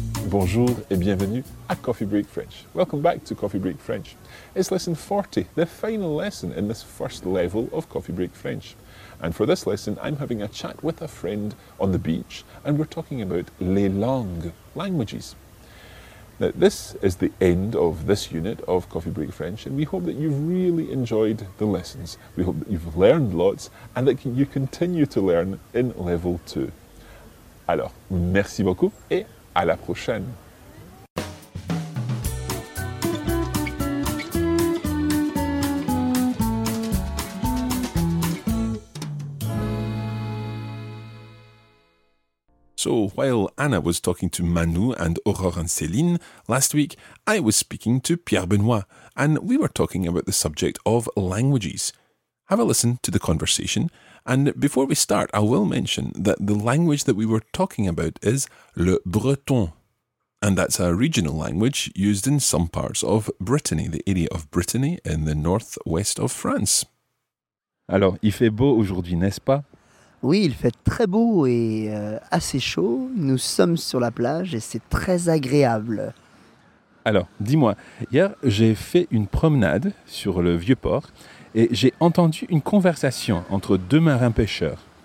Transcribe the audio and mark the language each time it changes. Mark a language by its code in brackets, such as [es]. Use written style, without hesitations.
[fr] Bonjour et bienvenue à Coffee Break French. [en] Welcome back to Coffee Break French. It's lesson 40, the final lesson in this first level of Coffee Break French. And for this lesson, I'm having a chat with a friend on the beach, and we're talking about [fr] les langues, [en] languages. Now, this is the end of this unit of Coffee Break French, and we hope that you've really enjoyed the lessons. We hope that you've learned lots, and that you continue to learn in level 2. [fr] Alors, merci beaucoup, et à la prochaine. [en] So, while Anna was talking to Manu and Aurore and Céline last week, I was speaking to Pierre Benoit, and we were talking about the subject of languages. Have a listen to the conversation, and before we start, I will mention that the language that we were talking about is le breton, and that's a regional language used in some parts of Brittany, the area of Brittany in the northwest of France. [fr] Alors, il fait beau aujourd'hui, n'est-ce pas? Oui, il fait très beau et assez chaud. Nous sommes sur la plage et c'est très agréable. Alors, dis-moi, hier, j'ai fait une promenade sur le vieux port et j'ai entendu une conversation entre deux marins pêcheurs.